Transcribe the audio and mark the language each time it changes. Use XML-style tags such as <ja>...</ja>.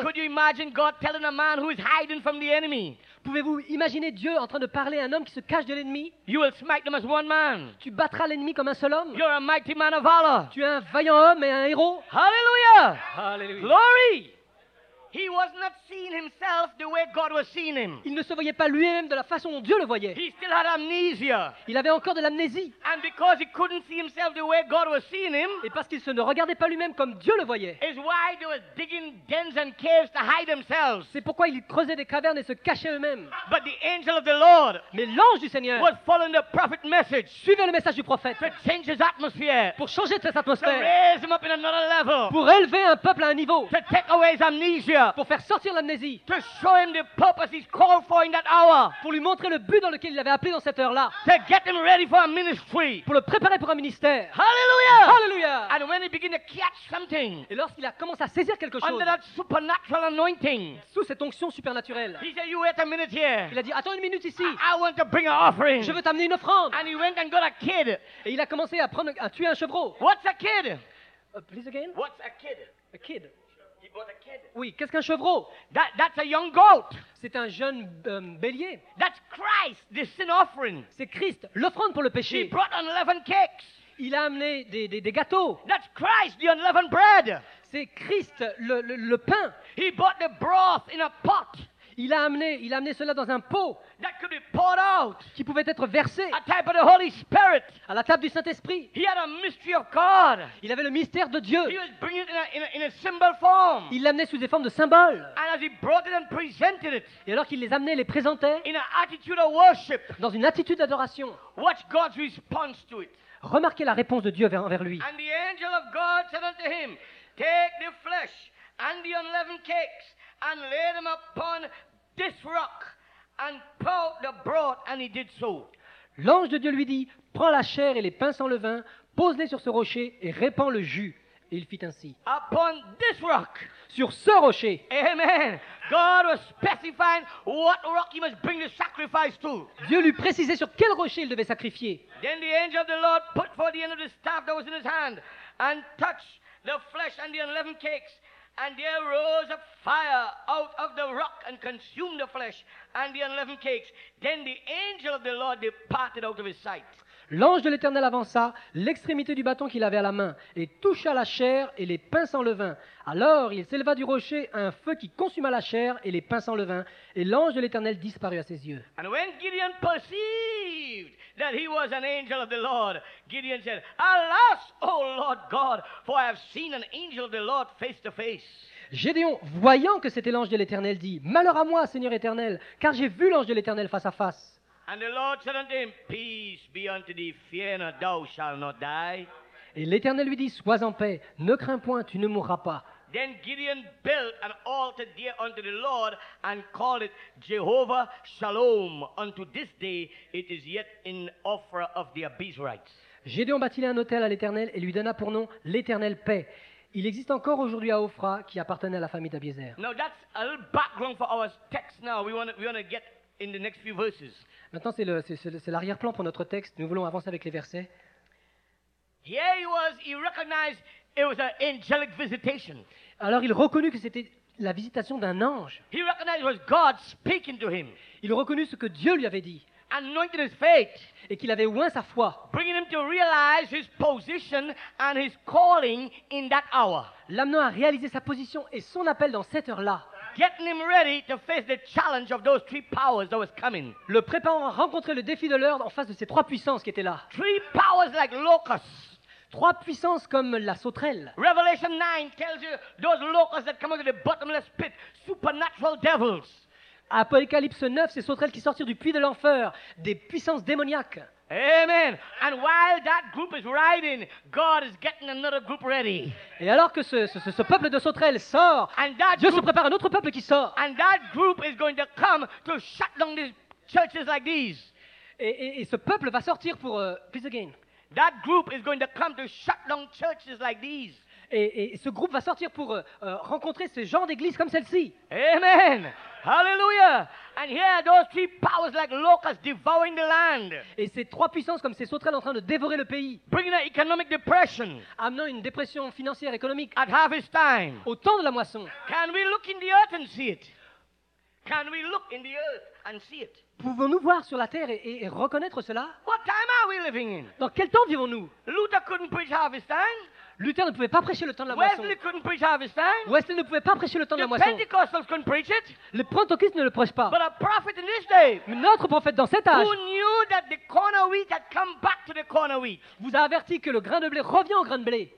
<en>Could you imagine God telling a man who is hiding from the enemy?</en> <fr>Pouvez-vous imaginer Dieu en train de parler à un homme qui se cache de l'ennemi?</fr> <en>You will smite them as one man.</en> <fr>Tu battras l'ennemi comme un seul homme.</fr> <en>You're a mighty man of valor.</en> <fr>Tu es un vaillant homme et un héros.</fr> <en>Hallelujah. Hallelujah. Glory. He was not seeing himself the way God was seeing him.</en> <fr>Il ne se voyait pas lui-même de la façon dont Dieu le voyait.</fr> <en>He still had amnesia.</en> <fr>Il avait encore de l'amnésie.</fr> <en>And because he couldn't see himself the way God was seeing him.</en> <fr>Et parce qu'il se ne regardait pas lui-même comme Dieu le voyait.</fr> <en>Is why they were digging dens and caves to hide themselves.</en> <fr>C'est pourquoi ils creusaient des cavernes et se cachaient eux-mêmes.</fr> <en>But the angel of the Lord.</en> <fr>Mais l'ange du Seigneur.</fr> <en>Was following the prophet's message.</en> <fr>Suivait le message du prophète.</fr> <en>To change his atmosphere.</en> <fr>Pour changer cette atmosphère.</fr> <en>To raise him up in another level.</en> <fr>Pour élever un peuple à un niveau.</fr> <en>To take away his amnesia.</en> <fr>Pour faire sortir l'amnésie.</fr> <en>To show him the purpose he's called for in that hour.</en> <fr>Pour lui montrer le but dans lequel il l'avait appelé dans cette heure-là.</fr> <en>To get him ready for a ministry.</en> <fr>Pour le préparer pour un ministère.</fr> <en>Hallelujah. Hallelujah. And when he began to catch something.</en> <fr>Et lorsqu'il a commencé à saisir quelque chose.</fr> <en>Under that supernatural anointing.</en> <fr>Sous cette onction surnaturelle.</fr> <en>He said, "You wait a minute here."</en> <fr>Il a dit, attends une minute ici.</fr> <en>I want to bring an offering.</en> <fr>Je veux t'amener une offrande.</fr> <en>And he went and got a kid.</en> <fr>Et il a commencé à prendre à tuer un chevreau.</fr> <en>What's a kid? Please again. What's a kid? A kid. Kid.</en> <fr>Oui, qu'est-ce qu'un chevreau?</fr> <en>That's a young goat.</en> <fr>C'est un jeune bélier.</fr> <en>That's Christ, the sin offering.</en> <fr>C'est Christ, l'offrande pour le péché.</fr> <en>He brought unleavened cakes.</en> <fr>Il a amené des gâteaux.</fr> <en>That's Christ, the unleavened bread.</en> <fr>C'est Christ, le pain.</fr> <en>He brought the broth in a pot.</en> <fr>Il a amené cela dans un pot.</fr> <en>That could be poured out.</en> <fr>Qui pouvait être versé.</fr> <en>At the table of the Holy Spirit.</en> <fr>À la table du Saint-Esprit.</fr> <en>He had a mystery of God.</en> <fr>Il avait le mystère de Dieu.</fr> <en>He was bringing it in a symbol form.</en> <fr>Il l'amenait sous des formes de symboles.</fr> <en>And as he brought it and presented it.</en> <fr>Et alors qu'il les amenait, les présentait.</fr> <en>In an attitude of worship.</en> <fr>Dans une attitude d'adoration.</fr> <en>Watch God's response to it.</en> <fr>Remarquez la réponse de Dieu envers lui.</fr> <en>And the angel of God said unto him, take the flesh and the unleavened cakes and lay them upon this rock and pour out the broth, and he did so.</en> <fr>L'ange de Dieu lui dit, prends la chair et les pains sans levain, pose-les sur ce rocher et répands le jus. Et il fit ainsi.</fr> <en>Upon this rock.</en> <fr>Sur ce rocher.</fr> <en>Amen. God was specifying what rock he must bring the sacrifice to.</en> <fr>Dieu lui précisait sur quel rocher il devait sacrifier.</fr> <en>Then the angel of the Lord put forth the end of the staff that was in his hand and touched the flesh and the unleavened cakes. And there rose a fire out of the rock and consumed the flesh and the unleavened cakes. Then the angel of the Lord departed out of his sight.</en> <fr>L'ange de l'Éternel avança l'extrémité du bâton qu'il avait à la main et toucha la chair et les pains sans levain. Alors il s'éleva du rocher un feu qui consuma la chair et les pains sans levain, et l'ange de l'Éternel disparut à ses yeux.</fr> <en>And when Gideon perceived that he was an angel of the Lord, Gideon said, "Alas, O Lord God, for I have seen an angel of the Lord face to face."</en> <fr>Gédéon, voyant que c'était l'ange de l'Éternel, dit, "Malheur à moi, Seigneur Éternel, car j'ai vu l'ange de l'Éternel face à face."</fr> <en>And the Lord said unto him, "Peace be unto thee, fear not, thou shalt not die."</en> <fr>Et l'Éternel lui dit, sois en paix, ne crains point, tu ne mourras pas.</fr> <en>Then Gideon built an altar dear unto the Lord and called it Jehovah Shalom. Unto this day, it is yet in offer of the Abizrites.</en> <fr>Gédéon bâtit un autel à l'Éternel et lui donna pour nom l'Éternel paix. Il existe encore aujourd'hui à Ophra qui appartenait à la famille d'Abiezer.</fr> <en>Now that's a little background for our text. Now we want to get in the next few verses.</en> <fr>Maintenant, c'est l'arrière-plan pour notre texte. Nous voulons avancer avec les versets.</fr> <en>Here he was, he recognized it was an angelic visitation.</en> <fr>Alors, il reconnut que c'était la visitation d'un ange.</fr> <en>He recognized it was God speaking to him.</en> <fr>Il reconnut ce que Dieu lui avait dit.</fr> <en>Anointed his faith.</en> <fr>Et qu'il avait oint sa foi.</fr> <en>Bringing him to realize his position and his calling in that hour.</en> <fr>L'amenant à réaliser sa position et son appel dans cette heure-là.</fr> <en>Getting him ready to face the challenge of those three powers that was coming.</en> <fr>Le préparant à rencontrer le défi de l'heure en face de ces trois puissances qui étaient là.</fr> <en>Three powers like locusts.</en> <fr>Trois puissances comme la sauterelle.</fr> <en>Revelation 9 tells you those locusts that come out of the bottomless pit, supernatural devils.</en> <fr>Apocalypse 9, ces sauterelles qui sortirent du puits de l'enfer, des puissances démoniaques.</fr> <en>Amen. And while that group is riding, God is getting another group ready.</en> <fr>Et alors que ce peuple de sauterelles sort, Dieu se prépare un autre peuple qui sort.</fr> <en>And that group is going to come to shut down these churches like these.</en> <fr>Et ce peuple va sortir pour</fr> <en>please again. That group is going to come to shut down churches like these.</en> <fr>Et ce groupe va sortir pour rencontrer ce genre d'église comme celle-ci.</fr> <en>Amen. Hallelujah! And here are those three powers like locusts devouring the land.</en> <fr>Et ces trois puissances comme ces sauterelles en train de dévorer le pays.</fr> <en>Bringing an economic depression.</en> <fr>Amenant une dépression financière économique.</fr> <en>At harvest time.</en> <fr>Au temps de la moisson.</fr> <en>Can we look in the earth and see it? Can we look in the earth and see it?</en> <fr>Pouvons-nous voir sur la terre et reconnaître cela?</fr> <en>What time are we living in?</en> <fr>Dans quel temps vivons-nous?</fr> <en>Luther couldn't preach harvest time.</en> <fr>Luther ne pouvait pas prêcher le temps de la moisson.</fr> <en>Wesley couldn't preach harvest time.</en> <fr>Wesley ne pouvait pas prêcher le temps</fr> <en>the</en> <fr>de la moisson.</fr> <en>The Pentecostals couldn't preach it.</en> <fr>Les Pentecostals ne le prêchent pas.</fr> <en>But a prophet in this day.</en> <fr>Mais notre prophète dans cet âge.</fr> <en>Who knew that the corner wheat had come back to the corner wheat?</en> <fr>Vous a averti que le grain de blé revient au grain de blé.</fr>